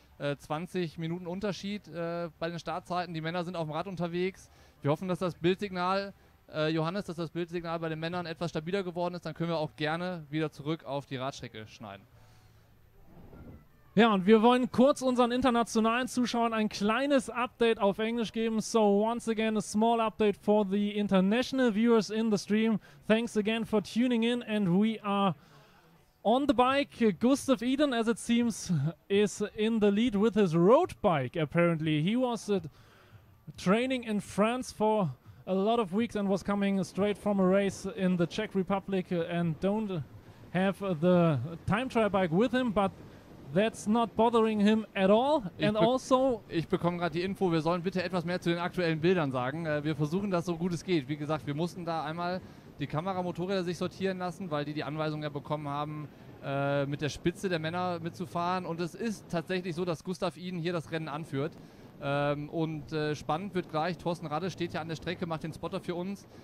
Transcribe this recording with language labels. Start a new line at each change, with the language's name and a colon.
German: 20 Minuten Unterschied bei den Startzeiten. Die Männer sind auf dem Rad unterwegs. Wir hoffen, dass das Bildsignal, Johannes, dass das Bildsignal bei den Männern etwas stabiler geworden ist. Dann können wir auch gerne wieder zurück auf die Radstrecke schneiden. Ja, und wir wollen kurz unseren internationalen Zuschauern ein kleines Update auf Englisch geben.
English: So, once again, a small update for the international viewers in the stream. Thanks again for tuning in, and we are on the bike. Gustav Iden, as it seems, is in the lead with his road bike, apparently. He was training in France for a lot of weeks and was coming straight from a race in the Czech Republic and don't have the time trial bike with him, but that's not bothering him at all.
German: Ich bekomme gerade die Info, wir sollen bitte etwas mehr zu den aktuellen Bildern sagen. Wir versuchen das so gut es geht. Wie gesagt, wir mussten da einmal die Kameramotorräder sich sortieren lassen, weil die Anweisung ja bekommen haben, mit der Spitze der Männer mitzufahren. Und es ist tatsächlich so, dass Gustav Iden hier das Rennen anführt. Spannend wird gleich, Thorsten Radde steht ja an der Strecke, macht den Spotter für uns.